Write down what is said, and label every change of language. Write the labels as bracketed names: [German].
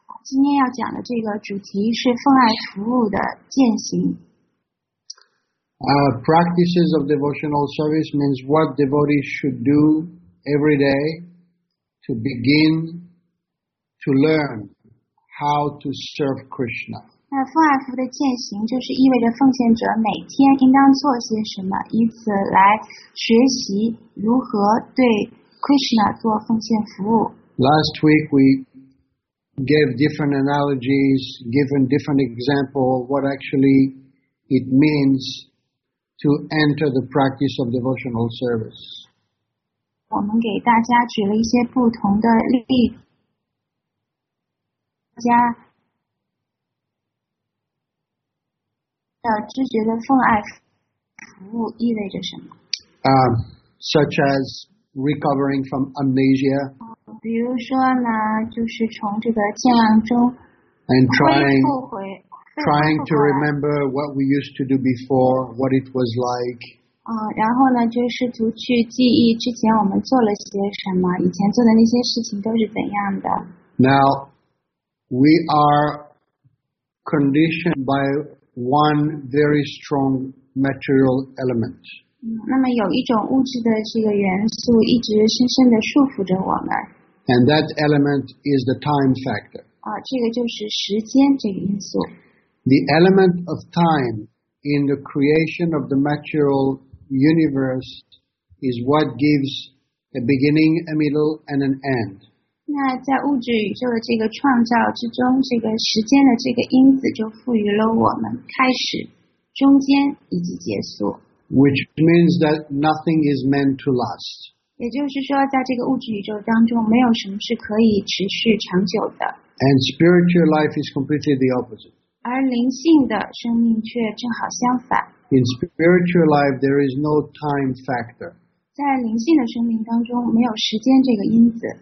[Chinese] 今天要讲的这个主题是奉爱服务的践行。 [English] Practices of devotional service means what devotees should do every day to begin to learn how to serve Krishna. [Chinese] 那奉爱服务的践行就是意味着奉献者每天应当做些什么，以此来学习如何对 Krishna 做奉献服务。 [English] Last week we gave different analogies, given different example what actually it means to enter the practice of devotional service. [Chinese] 我们给大家举了一些不同的例子，知觉的奉爱服务意味着什么？ [English] Such as recovering from amnesia. [Chinese] 比如说呢，就是从这个健忘中恢复回。 [English] And trying to remember what we used to do before, what it was like. [Chinese] 然后呢，就试图去记忆之前我们做了些什么，以前做的那些事情都是怎样的。 [English] Now, we are conditioned by. One very strong material element. [Chinese] 那么有一种物质的这个元素一直深深地束缚着我们。 [English] And that element is the time factor. [Chinese] 这个就是时间这个因素。 [English] The element of time in the creation of the material universe is what gives a beginning, a middle, and an end. [Chinese] 那在物质宇宙的这个创造之中，这个时间的这个因子就赋予了我们开始、中间以及结束。 [English] Which means that nothing is meant to last. [Chinese] 也就是说，在这个物质宇宙当中，没有什么是可以持续长久的。 [English] And spiritual life is completely the opposite. [Chinese] 而灵性的生命却正好相反。 [English] In spiritual life, there is no time factor. [Chinese] 在灵性的生命当中没有时间这个因子。